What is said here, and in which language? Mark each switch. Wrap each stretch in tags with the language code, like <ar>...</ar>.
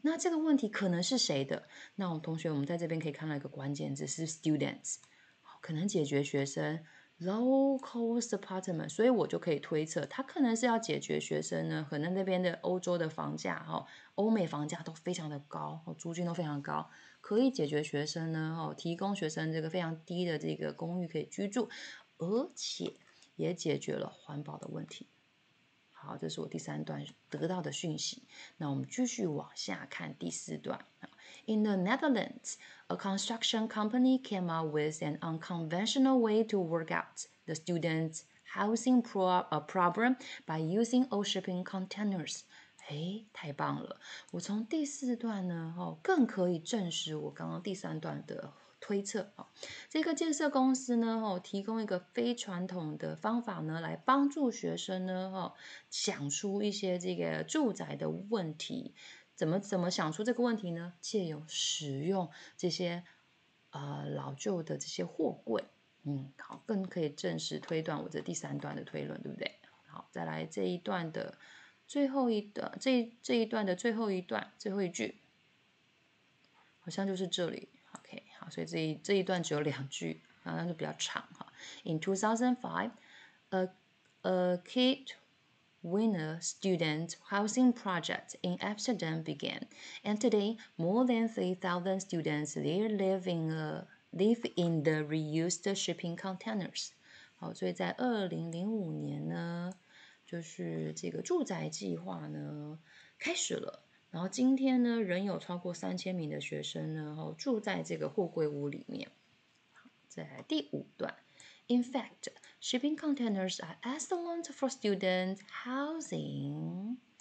<zh>那这个问题可能是谁的？那我们同学，我们在这边可以看到一个关键字是 students， 可能解决学生</zh> <en>low cost apartment，</en> <zh>所以我就可以推测他可能是要解决学生呢可能那边的欧洲的房价，欧美房价都非常的高，租金都非常高，可以解决学生呢提供学生这个非常低的这个公寓可以居住，而且也解决了环保的问题。好，这是我第三段得到的讯息。那我们继续往下看第四段。</zh> <en>In the Netherlands, a construction company came up with an unconventional way to work out the students' housing problem by using old shipping containers.</en> <zh>太棒了！我从第四段呢，更可以证实我刚刚第三段的推测。这个建设公司呢，提供一个非传统的方法呢，来帮助学生呢，想出一些这个住宅的问题。怎么想出这个问题呢？借由使用这些老旧的这些货柜。好，更可以证实推断我这第三段的推论，对不对？好，再来这一段的最后一段，这一段的最后一段最后一句好像就是这里。 OK， 好，所以这一段只有两句，然后就比较长。</zh> <en>In 2005 a kidWinner student housing project in Amsterdam began, and today more than 3,000 students live in the reused shipping containers.</en> <zh>好，所以在2005年呢，就是这个住宅计划呢开始了。然后今天呢，仍有超过3000名的学生呢，住在这个货柜屋里面。在第五段。</zh> <en>In fact, shipping containers are excellent for student housing.</en>